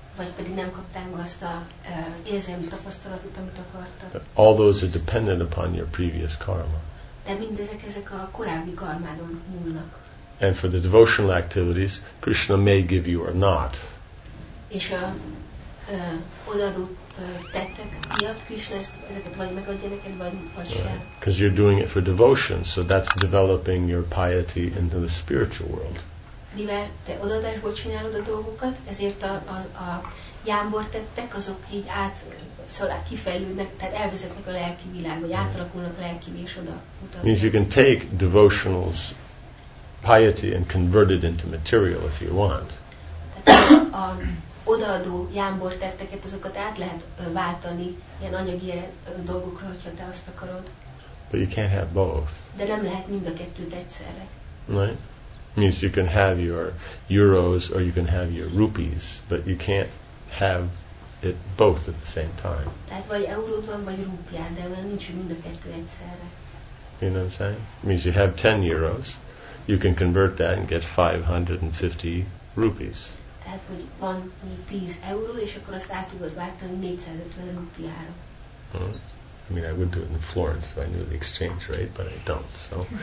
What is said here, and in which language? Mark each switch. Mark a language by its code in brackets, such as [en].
[hu] Vagy pedig nem kapták meg azt a érzelmi tapasztalatot, amit akartak. [en] But all those are dependent upon your previous karma. [hu] De mindezek ezek a korábbi karmádon múlnak. [en] And for the devotional activities, Krishna may give you or not. [hu] És a odaadó tettek miatt Krishna ezeket vagy megadja neked, vagy sem. [en] Because you're doing it for devotion, so that's developing your piety into the spiritual world. [hu] Mivel te odaadásból csinálod a dolgokat, ezért a jámbor tettek, azok így kifejlődnek, tehát elvezetnek a lelki világba, vagy átalakulnak a lelkivé, és oda mutatnak. [en] Means you can take devotionals piety and convert it into material if you want. [hu] A odaadó jámbor tetteket, azokat át lehet váltani ilyen anyagi dolgokra, hogyha te azt akarod. [en] But you can't have both. [hu] De nem lehet mind a kettőt egyszerre. [en] Right? Means you can have your euros or you can have your rupees, but you can't have it both at the same time. [hu] Tehát vagy eurót van, vagy rúpiád, de nincs mind a kettő egyszerre. [en] You know what I'm saying? Means you have 10 euros. You can convert that and get 550 rupees. [hu] Tehát, hogy van 10 euró, és akkor azt át tudod váltani 450 rupiára. [en] I mean, I would do it in Florence if I knew the exchange rate, but I don't, so.